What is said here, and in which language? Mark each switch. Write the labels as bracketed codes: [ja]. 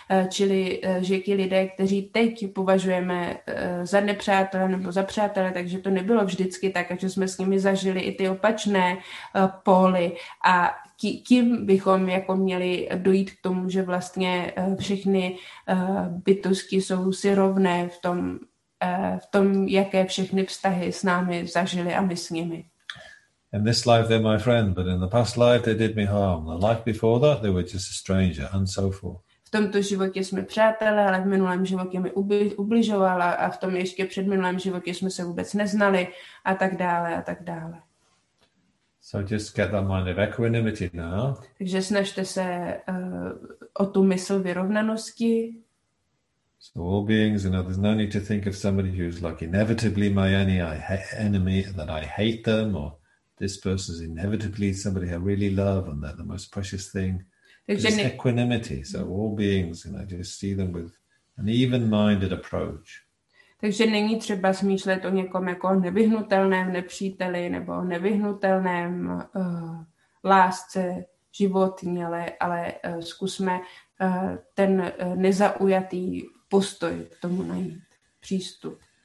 [cs] Čili že ti lidé, kteří teď považujeme za nepřátelé nebo za přátelé, takže to nebylo vždycky tak, a že jsme s nimi zažili i ty opačné póly. A kým bychom jako měli dojít k tomu, že vlastně všechny bytosti jsou si rovné v tom, jaké všechny vztahy s námi zažili a my s nimi. [en] In this life they're my friend, but in the past life they did me harm. The life before that they were just a stranger and so forth. [cs] V tomto životě jsme přátelé, ale v minulém životě mi ubližovala a v tom ještě před minulém životě jsme se vůbec neznali a tak dále a tak dále. [en] So just get that mind of equanimity now. [cs] Takže snažte se o tu mysl vyrovnanosti. [en] So all beings, you know, there's no need to think of somebody who's like inevitably my enemy, that I hate them, or this person is inevitably somebody I really love and they're the most precious thing. There's equanimity. So all beings, you know, just see them with an even-minded approach. [cs] Takže není třeba smýšlet o někom jako nevyhnutelném nepříteli nebo nevyhnutelném lásce, životně, ale zkusme ten nezaujatý postoj k tomu najít, přístup.